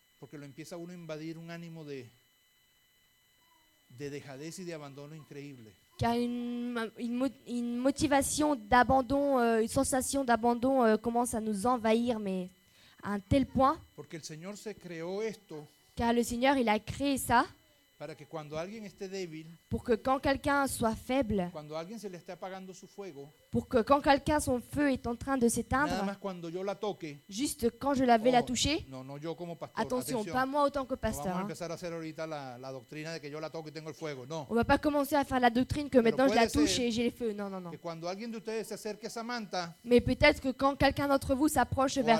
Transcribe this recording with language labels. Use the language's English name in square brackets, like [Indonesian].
[Spanish] porque lo empieza uno a invadir un ánimo de dejadez y de abandono increíble. [French] Car une motivation d'abandon, une sensation d'abandon commence à nous envahir, mais à un tel point. [Spanish] Porque el Señor se creó esto, [French] car le Seigneur, il a créé ça [Spanish] para que cuando alguien esté débil, [French] pour que quand quelqu'un soit faible, [Spanish] cuando alguien se le esté apagando su fuego, [French] pour que quand quelqu'un, son feu est en train de s'éteindre, [Spanish] nada más cuando yo la toque, [French] juste quand je la vais la toucher, [Spanish] no, no, yo como pastor, [French] attention, [Spanish] atención, [French] pas moi autant que pasteur. [Spanish] No vamos a empezar a hacer ahorita la doctrina de que yo la toque y tengo el fuego, no. [French] On va pas commencer à faire la doctrine que [Spanish] pero [French] maintenant je la touche et j'ai le feu, non, non, non. [Spanish] Que cuando alguien de ustedes se acerque a Samantha, [French] mais peut-être que quand quelqu'un d'entre vous s'approche vers